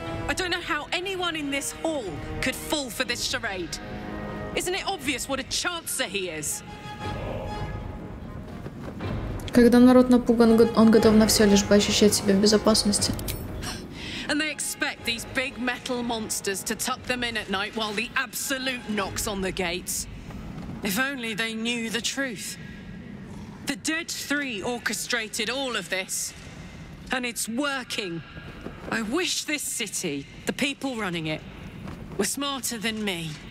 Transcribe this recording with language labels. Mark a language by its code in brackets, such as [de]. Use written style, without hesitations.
[en] I don't know how anyone in this hall could fall for this charade. Isn't it obvious what a chancer he is? [ru] Когда народ напуган, он готов на все, лишь бы ощущать себя в безопасности. [en] And they expect these big metal monsters to tuck them in at night while the absolute knocks on the gates. If only they knew the truth. The Dead Three orchestrated all of this. And it's working. I wish this city, the people running it, were smarter than me.